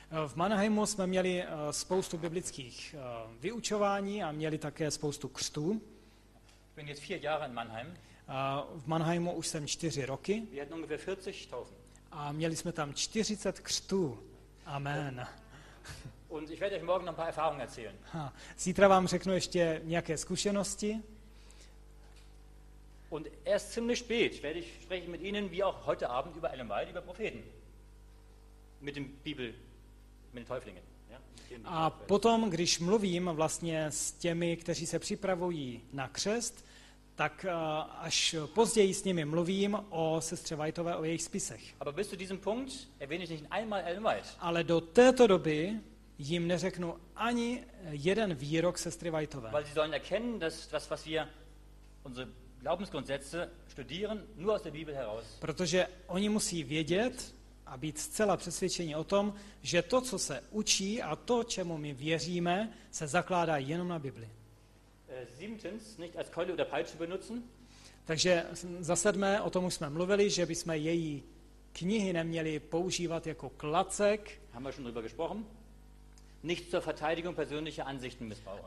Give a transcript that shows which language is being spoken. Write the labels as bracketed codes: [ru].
[cs] V Mannheimu jsme měli spoustu biblických vyučování a měli také spoustu křtů. [de] Ich bin jetzt 4 Jahre in Mannheim. [cs] V Mannheimu už jsem 4 roky. [de] Wir hatten ungefähr 40 Taufen. [cs] A měli jsme tam 40 křtů. Amen. [de] Und ich werde euch morgen noch ein paar Erfahrungen erzählen. [cs] Zítra vám řeknu ještě nějaké zkušenosti. [de] Und erst ziemlich spät werde ich sprechen mit Ihnen, wie auch heute Abend, über Ellen White, über Propheten. Mit dem Bibel, mit den Täuflingen. Ja? [cs] A potom, když mluvím vlastně s těmi, kteří se připravují na křest, tak až později s nimi mluvím o sestře Whiteové, o jejich spisech. [de] Aber bis zu diesem Punkt erwähne ich nicht einmal Ellen White. [cs] Ale do této doby jim neřeknu ani jeden výrok sestry Whiteové. [de] Weil sie sollen erkennen, dass das, was wir unsere Glaubensgrundsätze studieren nur aus der Bibel heraus. [cs] Protože oni musí vědět a být zcela přesvědčeni o tom, že to, co se učí a to, čemu my věříme, se zakládá jenom na Bibli. [de] Siebtens, nicht als Keule oder Peitsche benutzen. [cs] Takže za sedmé, o tom už jsme mluvili, že bychom její knihy neměli používat jako klacek. [de] Haben wir schon drüber gesprochen? Nicht zur Verteidigung persönlicher Ansichten missbrauchen.